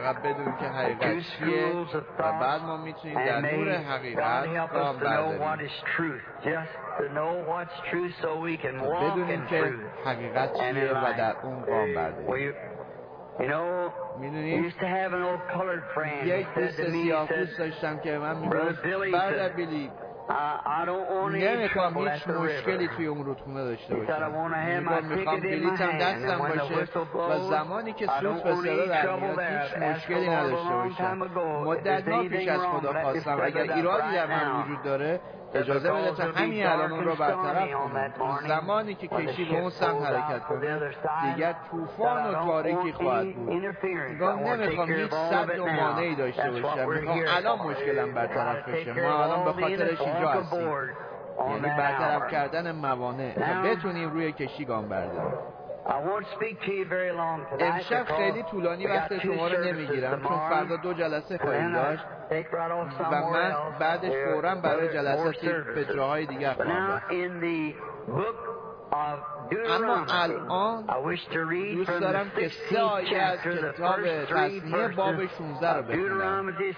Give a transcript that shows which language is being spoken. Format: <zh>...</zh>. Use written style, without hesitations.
<fa>فقط بدون که حقیقت چیه و بعد ما میتونیم در نور حقیقت گام برداریم و بدونیم که حقیقت چیه و در اون گام برداریم</fa> <en>You know, I used to have an old colored friend who said to me, Brother Billy, I don't want any trouble at the river. He said, I want to have my ticket in my hand and when the whistle blows, I don't want any trouble there. That's all a long time ago. If there's anything wrong, let me tell you right now.</en> <fa>اجازه بده تا همین الان اون رو برطرف کنم زمانی که کشتی به اون سمت حرکت کنه دیگر طوفان و تاریکی خواهد بود نمیخوام هیچ سد و مانعی داشته باشم میخوام الان مشکلم برطرف بشه ما الان به خاطرش اینجا هستیم یعنی برطرف کردن موانع تا بتونیم روی کشتی گام برداریم</fa> <en>I won't speak to you very long tonight.</en> <fa>امشب خیلی طولانی وقت شما رو نمیگیرم چون فردا دو جلسه خواهیم داشت و من بعدش فوراً برای جلساتی به جاهای دیگر خواهم رفت. اما الان دوست دارم که سه آیه از کتاب تثنیه باب 16 رو بخونم.</fa>